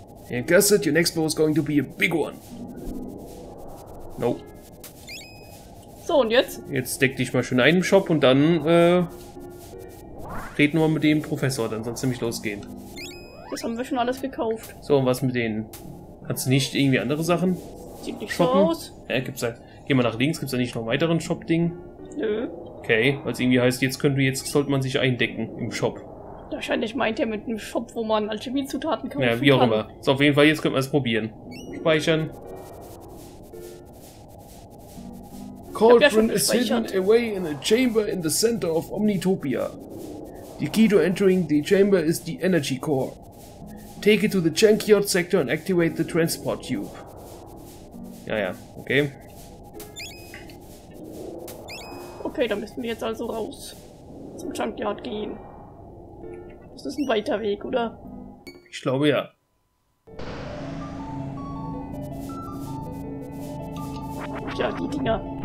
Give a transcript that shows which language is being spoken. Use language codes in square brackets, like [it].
[en] And guess it, your next blow is going to be a big one. Nope. [de] So, und jetzt? Jetzt deck dich mal schön ein im Shop und dann, reden wir mit dem Professor, dann soll es nämlich losgehen. Das haben wir schon alles gekauft. So, und was mit denen? Hat's nicht irgendwie andere Sachen? Sieht nicht shoppen? So aus. Ja, gibt's halt. Geh mal nach links, gibt's da nicht noch weiteren Shop-Ding? Nö. Okay, weil es irgendwie heißt, jetzt sollte man sich eindecken im Shop. Wahrscheinlich meint er mit einem Shop, wo man Alchemie-Zutaten kaufen kann. Ja, wie auch immer. So, auf jeden Fall, jetzt können wir es probieren. Speichern. [en] Cauldron is hidden away in a chamber in the center of Omnitopia. The key to entering the chamber is the energy core. Take it to the Chankyot sector and activate the transport tube. [de] Ja, ja. Okay. Okay, dann müssen wir jetzt also raus zum Chankyot gehen. Das ist ein weiter Weg, oder? Ich glaube ja. Tja, die Dinger.